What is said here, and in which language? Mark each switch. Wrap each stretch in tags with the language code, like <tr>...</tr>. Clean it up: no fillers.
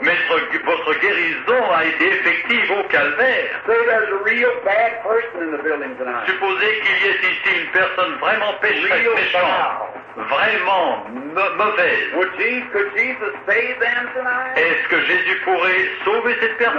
<fr>Mais votre guérison a été effective au calvaire.</fr> <en>So there's a real bad person in the building tonight.</en> <fr>Supposez qu'il y ait ici une personne vraiment méchante. Vraiment mauvaise.</fr> <en>Could Jesus save them tonight?</en> <fr>Est-ce que Jésus pourrait sauver cette personne</fr>